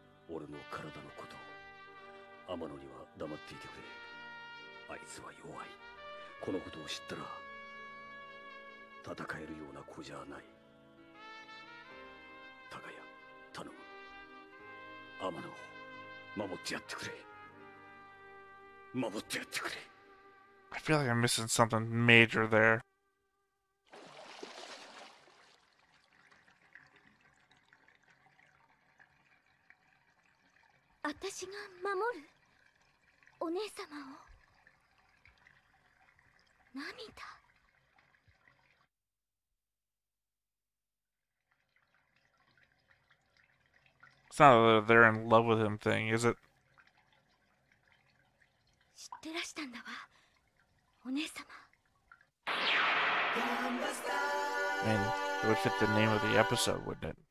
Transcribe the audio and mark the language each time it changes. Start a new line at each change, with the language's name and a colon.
Japanese: 俺の体のこと、天野には黙っていてくれ。あいつは弱い。このことを知ったら戦えるような子じゃない。高谷、頼む。天野を守ってやってくれ。守ってやってくれ。
English: I feel like I'm missing something major there.
Japanese: あたしが守る？お姉さまを？
English: It's not a they're in love with him thing, is it?
Japanese: 知ってらしたんだわ、お姉様。
English: I mean, it would fit the name of the episode, wouldn't it?